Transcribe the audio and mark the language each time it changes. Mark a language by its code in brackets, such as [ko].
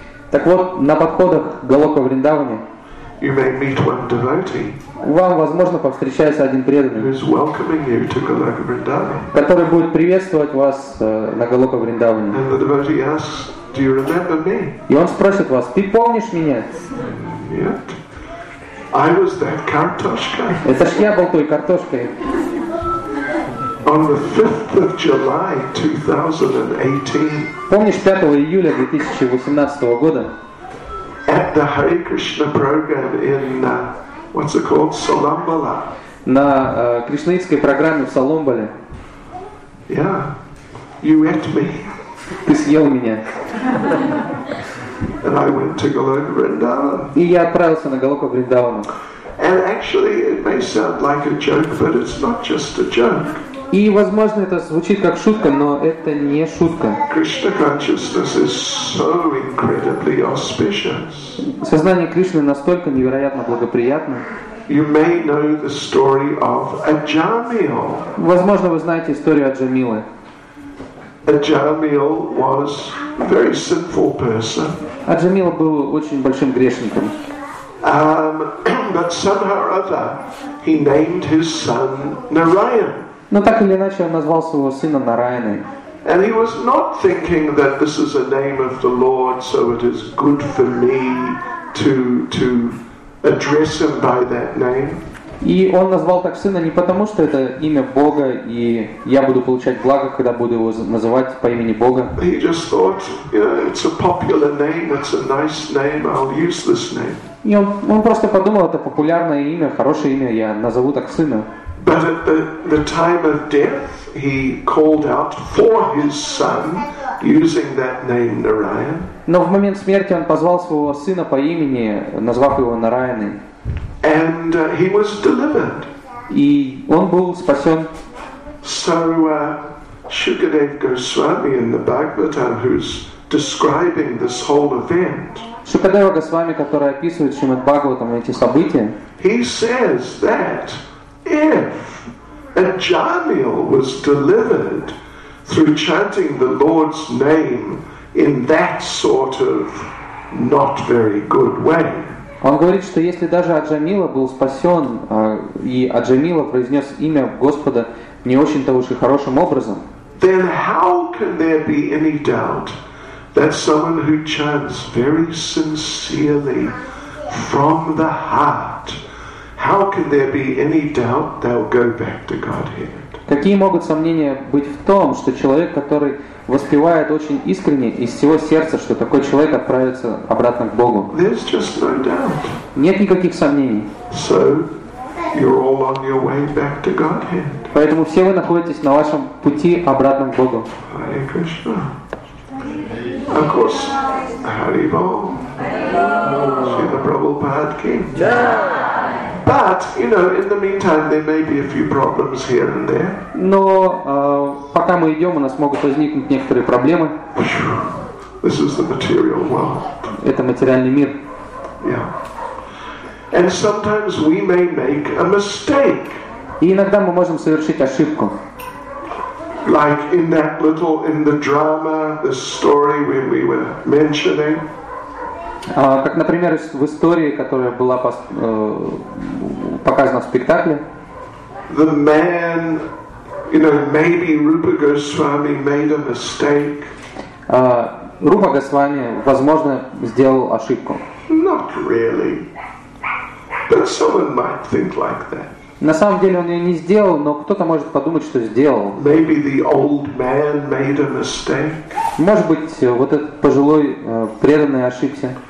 [ru] Так вот, на подходах к Голока Вриндаване [en] you may meet one devotee, [ru] вам, возможно, повстречается один преданный, [en] who is welcoming you to Goloka Vrindavan, [ru] который будет приветствовать вас на Голока Вриндаване. [en] And the devotee asks, do you remember me? [ru] И он спросит вас, ты помнишь меня? [en] Yet. I was that картошка. [ru] Это ж я был той картошкой. [en] On the 5th of July 2018. [ru] Помнишь 5 июля 2018 года? [en] At the Hare Krishna program in what's it called, Salambala. [ru] На кришнаитской программе в Саламбале. [en] Yeah, you ate me. [ru] Ты съел меня. [en] And I went to Goloka Vrindavan. [ru] И я отправился на Голоку Вриндавану. [en] And actually, it may sound like a joke, but it's not just a joke. [ru] И, возможно, это звучит как шутка, но это не шутка. [en] Krishna consciousness is so incredibly auspicious. [ru] Сознание Кришны настолько невероятно благоприятно. [en] You may know the story of Ajamil. [ru] Возможно, вы знаете историю Аджамилы. [en] Ajamil was a very sinful person. [ru] Аджамила был очень большим грешником. [en] But somehow or other, he named his son Narayan. [ru] Но так или иначе он назвал своего сына Нараяной. [en] And he was not thinking that this is a name of the Lord, so it is good for me to address him by that name. [ru] И он назвал так сына не потому, что это имя Бога, и я буду получать благо, когда буду его называть по имени Бога. [en] He just thought, you know, it's a popular name, it's a nice name, I'll use this name. [ru] И он просто подумал, это популярное имя, хорошее имя, я назову так сына. [en] But at the time of death, he called out for his son using that name Narayan. [ru] Но в момент смерти он позвал своего сына по имени, назвав его Нараяной. [en] And he was delivered. [ru] И он был спасен. [en] So Shukadev Goswami in the Bhagavatam, who's describing this whole event. [ru] Шукадева Госвами, который описывает Шримад Бхагаватам эти события. [en] He says that. If Ajamil was delivered through chanting the Lord's name in that sort of not very good way, [ru] он говорит, что если даже Аджамила был спасен и Аджамила произнес имя Господа не очень-то уж и хорошим образом, [en] then how can there be any doubt that someone who chants very sincerely from the heart? How can there be any doubt they'll go back to Godhead? [ru] Какие могут сомнения быть в том, что человек, который воспевает очень искренне из всего сердца, что такой человек отправится обратно к Богу? [en] There's just no doubt. [ru] Нет никаких сомнений. [en] So, You're all on your way back to Godhead. [ru] Поэтому все вы находитесь на вашем пути обратно к Богу. [en] Hare Krishna. Of course, Hare Bol. Srila Prabhupada ki. But, you know, in the meantime, there may be a few problems here and there. [ru] Но пока мы идем, у нас могут возникнуть некоторые проблемы. [en] This is the material world. [ru] Это материальный мир. [en] Yeah. And sometimes we may make a mistake. [ru] И иногда мы можем совершить ошибку. [en] Like in that little, in the drama, the story when we were mentioning. [ru] Как, например, в истории, которая была показана в спектакле. [en] The man, you know, maybe Rupa Goswami made a mistake. [ru] Рупа Госвами, возможно, сделал ошибку. [en] Not really. But someone might think like that. [ru] На самом деле он ее не сделал, но кто-то может подумать, что сделал. [en] Maybe the old man made a mistake. [ru] Может быть, вот этот пожилой преданный ошибся.